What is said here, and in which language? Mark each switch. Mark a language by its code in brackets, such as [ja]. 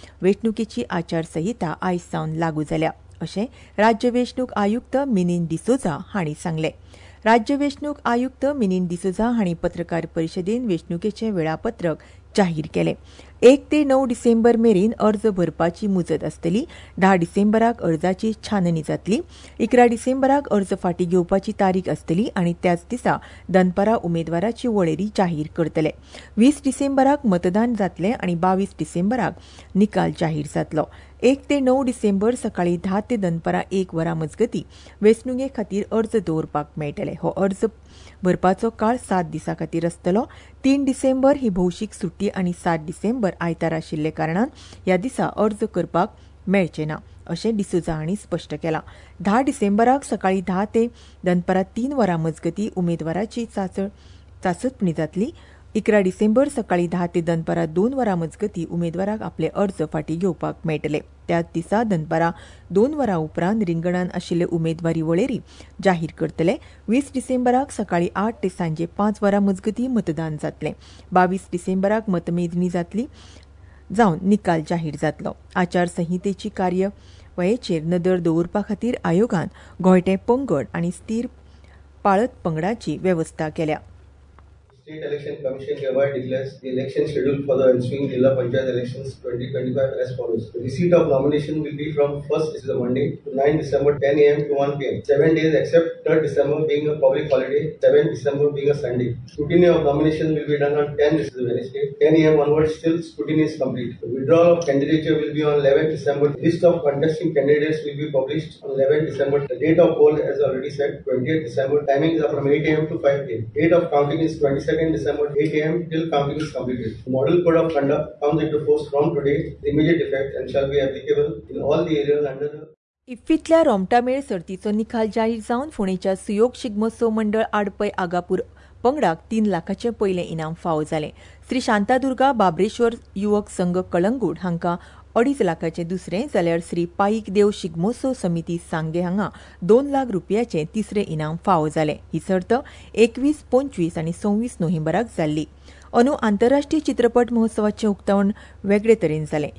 [kok] वेंचणुकेची आचारसंहिता आयज सावन लागू जाल्या अशें राज्य वेंचणूक आयुक्त मिनिन डिसोझा हांणी सांगले. राज्य वेंचणूक आयुक्त मिनिन डिसोझा हांणी पत्रकार परिशदेन वेंचणुकेचें वेळापत्रक जाहीर केलें. 1 ते 9 डिसेंबर मेरेन अर्ज भरपाची मुजत आसतली. 10 डिसेंबराक अर्जाची छाननी जातली. 11 डिसेंबराक अर्ज फाटीं घेवपाची तारीख आसतली आनी त्याच दिसा दनपारां उमेदवाराची वळेरी जाहीर करतले. 20 डिसेंबराक मतदान जातलें आनी 22 डिसेंबराक निकाल जाहीर जातलो. 1 ते 9 डिसेंबर सकाळी 10 ते दनपारां 1 वरां मजगतीं वेंचणुके खातीर अर्ज दवरपाक मेळटले. हो अर्ज भरपाचो काळ 7 दिसां खातीर आसतलो. 3 डिसेंबर ही भौशीक सुटी आनी 7 डिसेंबर आयतार आशिल्ले कारणान ह्या दिसा अर्ज करपाक मेळचे ना अशें डिसोझा हांणी स्पश्ट केला. 10 डिसेंबराक सकाळी 10 ते दनपारां 3 वरां मजगतीं उमेदवाराची चाचपणी जातली. 11 डिसेंबर सकाळी 10 ते दनपारां 2 वरां मजगतीं उमेदवाराक आपले अर्ज फाटीं घेवपाक मेळटले. त्याच दिसा दनपारां 2 वरां उपरांत रिंगणांत आशिल्ले उमेदवारी वळेरी जाहीर करतले. 20 डिसेंबराक सकाळी 8 ते सांजे 5 वरां मजगतीं मतदान जातले. 22 डिसेंबराक मतमेजणी जातली जावन निकाल जाहीर जातलो. आचारसंहितेची कार्यवळेचेर नदर दवरपा खातीर आयोगान गोंयटे पंगड आनी स्थीर पाळत पंगडाची वेवस्था केल्या. [en] State election commission hereby declares the election schedule for the ensuing zilla panchayat election 2025 as follows. Receipt of nomination will be from 1st, this is a Monday, to 9 December 10 AM to 1 PM. 7 days except 3rd December being a public holiday, 7 December being a Sunday. Scrutiny of nomination will be done on 10, this is Wednesday. 10 AM onward still scrutiny is complete. Withdrawal of candidature will be on 11 December. List of contesting candidates will be published on 11 December. The date of poll as already set 20th December. Timing is from 8 AM to 5 PM. Date of counting is 22nd December 8 AM till counting is completed. The model code of conduct comes into force from today, the immediate effect, and shall be applicable in all the areas under the [kok] इफ्फीतल्या रोमटामेळ सर्तीचो निकाल जाहीर जावन फोंडेच्या सुयोग शिगमोत्सव मंडळ आडपय आगापूर पंगडाक 3,00,000 पयले इनाम फावो जाले. श्री शांतादुर्गा बाबरेश्वर युवक संघ कळंगूट हांकां 2.5 लाखाचे दुसरे, जाल्यार श्री पाईक देव शिगमोत्सव समिती सांगे हांगा 2,00,000 रुपयाचे तिसरे इनाम फावो जाले. ही सर्त 21, 25 आनी 26 नोव्हेंबराक जाल्ली. अंदू आंतरराष्ट्रीय चित्रपट महोत्सवाचे उक्तावण वेगळे तरेन जाले.